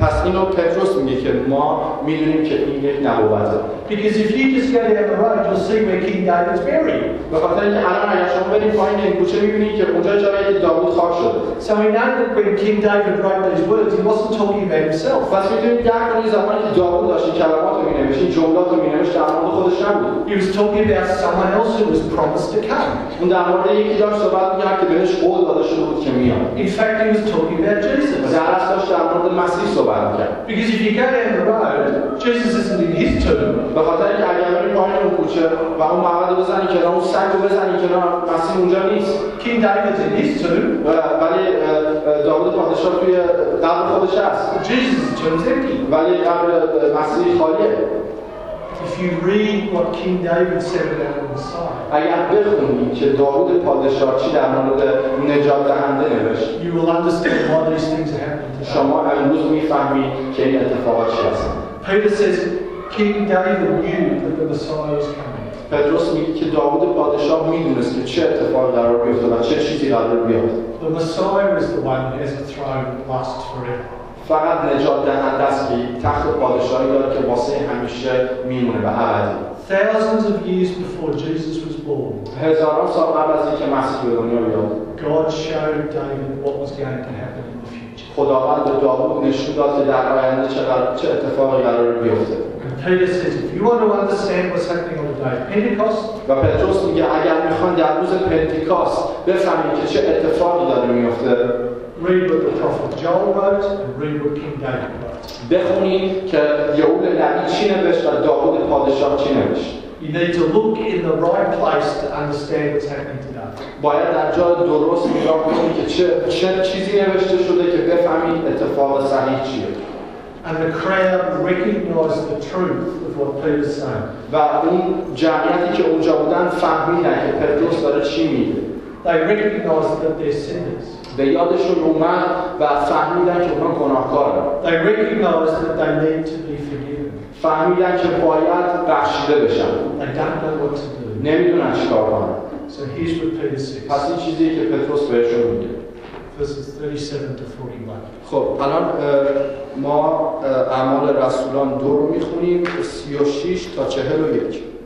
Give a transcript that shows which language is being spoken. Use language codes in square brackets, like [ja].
[fa] پس اینو پتروس میگه که ما میدونیم که این یک نبوته. [en] Because if you just go down the road, you'll see where King David's buried. [fa] و خاطر اینکه الان اگر شما برید پایین این کوچه می‌بینید که اونجا جایی داوود خاک شده. [en] So we know that when King David wrote these words, he wasn't talking about himself. [fa] پس می‌دونید در اون زمان که داوود داشت این کلمات رو می‌نوشت، این جملات رو می‌نوشت، در مورد خودش نبود. [en] He was talking about someone else who was promised to come. [fa] اون در مورد یکی داشت صحبت می‌کرد که بهش قول داده شده بود که میاد. [en] In fact, he was talking about Jesus. [fa] در اصل داشت در مورد مسیح صحبت می‌کرد. [en] Because if you go down the road, Jesus isn't in his tomb. [fa] به خاطر اینکه اگر بریم پایین اون کوچه و اون مقعد رو بزنیم کنار اون سنگ رو بزنیم کنار مسیح اونجا نیست. [en] King David is in his tomb. [fa] ولی داوود پادشاه توی قبر خودش هست. [en] Jesus is in his tomb. [fa] ولی قبر مسیح خالیه. [en] If you read what King David said about the Messiah, [fa] اگر بخونی که داوود پادشاه چی در مورد نجات دهنده نوشت, [en] you will understand why these things are happening. [fa] شما امروز میفهمی که این اتفاقات چی هست. [en] Peter says King David knew that the Messiah was coming. [fa] پتروس میگه که داوود پادشاه میدونست که چه اتفاقی قرار میفته و چه چیزی قرار بیاد. [en] The Messiah is the one who has a throne that lasts forever. [fa] فقط نجات دهنده است که تخت پادشاهی داره که واسه همیشه میمونه به ابد. [en] Thousands of years before Jesus was born. [fa] هزاران سال قبل از اینکه مسیح به دنیا بیاد. [en] God showed David what was going to happen. [fa] خداوند به داوود نشون داد که در آینده چه اتفاقی قرار بیفته. [en] Peter says, if you want to understand what's happening on the day of Pentecost, [fa] و پتروس میگه اگر میخوان در روز پنتیکاست بفهمید که چه اتفاقی داره میفته, [en] read what the prophet Joel wrote and read what King David wrote. [fa] بخونید که یهود نبی چی نوشت و داوود پادشاه چی نوشت. [en] You need to look in the right place to understand what's happening today. [fa] باید در جای درست نگاه کنید که چه چیزی نوشته شده که بفهمید اتفاق صحیح چیه. [en] And the crowd recognized the truth of what Peter is saying. [fa] و اون جمعیتی که اونجا بودن فهمیدن که پتروس داره چی میگه. [en] They recognized that they're sinners. [fa] به یادشون اومد و فهمیدن که اونا گناهکارن. [en] They recognized that they need to be forgiven. [fa] فهمیدن که باید بخشیده بشن. [en] They don't know what to do. [fa] نمیدونن چیکار کنن. [en] So here's what Peter says. [fa] پس این چیزی که پتروس بهشون میگه. [en] Verses 37 [fa] 41. خب الان ما اعمال رسولان 2 رو میخونیم 36 تا 41.